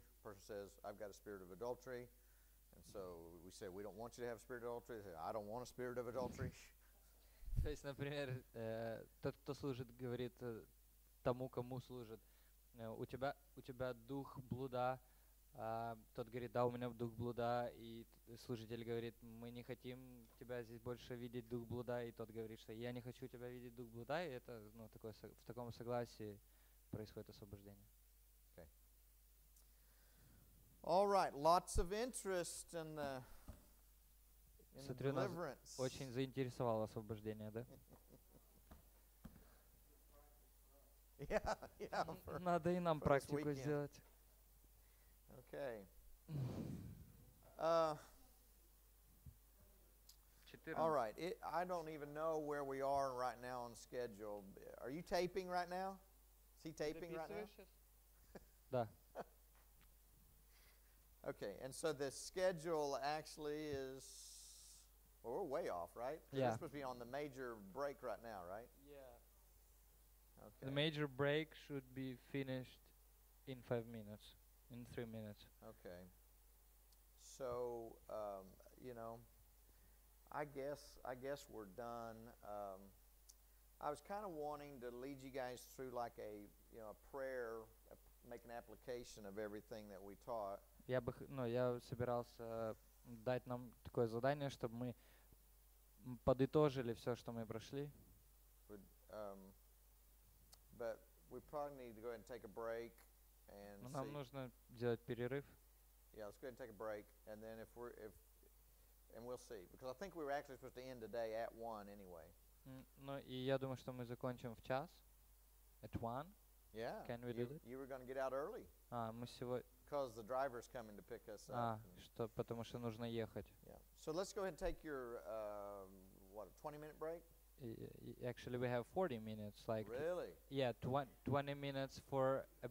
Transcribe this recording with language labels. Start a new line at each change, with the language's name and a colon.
English: The person says I've got a spirit of adultery. And so we say we don't want you to have a spirit of adultery. They say, I don't want a spirit of adultery.
Russian: То есть, например, тот, кто служит, говорит тому, кому служит, у тебя дух блуда. Тот говорит, да, у меня дух блуда. И служитель говорит, мы не хотим тебя здесь больше видеть, дух блуда. И тот говорит, что я не хочу тебя видеть, дух блуда. И это, ну, такое, в таком согласии происходит освобождение.
English: All right, lots of interest in the deliverance.
Russian: Очень заинтересовало освобождение, да?
English: Yeah.
Russian: Надо и нам практику сделать.
English: Okay. 14. All right, I don't even know where we are right now on schedule. Are you taping right now? Is he taping right now?
Russian: Да.
English: Okay, and so the schedule actually is, well, we're way off, right? Yeah. We're supposed to be on the major break right now, right? Yeah. Okay. The major break should be finished in 5 minutes, in 3 minutes. Okay. So, you know, I guess we're done. I was kind of wanting to lead you guys through like a, you know, a prayer, make an application of everything that we taught.
Russian: Я собирался дать нам такое задание, чтобы мы подытожили все, что мы прошли. Но нам нужно делать перерыв.
English: Yeah, let's go ahead and take a break, and then and we'll see, because I think we were actually supposed to end today at 1 anyway.
Russian: Ну и я думаю, что мы закончим в час.
English: At 1. Yeah. Can we do it? You were going to get out early.
Russian: А мы сегодня.
English: Because the driver's coming to pick us up.
Russian: А, что, потому что нужно ехать.
English: Yeah. So let's go ahead and take your, a 20-minute break? Actually, we have 40 minutes. Like really? Yeah, 20 minutes for a break and 20 minutes for a prayer. But we can